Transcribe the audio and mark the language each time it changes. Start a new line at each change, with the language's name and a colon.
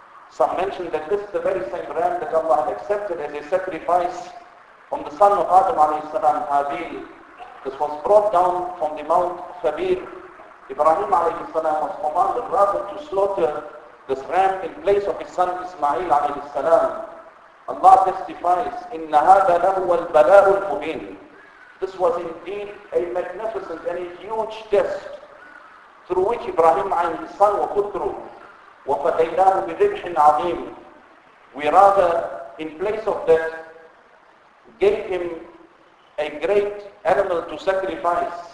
English: Some mentioned that this is the very same ram that Allah had accepted as a sacrifice from the son of Adam alayhi salam, Habil. This was brought down from the Mount Thabir. Ibrahim alayhi salam was commanded rather to slaughter this ram in place of his son Ismail alayhi salam. Allah testifies,
Arabic: إِنَّ هَذَا لَهُوَ الْبَلَاءُ الْمُبِينُ.
English: This was indeed a magnificent and a huge test through which Ibrahim and his son were put through.
Arabic: وَفَتَيْنَاهُ بِذِبْحٍ عَظِيمٍ.
English: We rather, in place of that, gave him a great animal to sacrifice.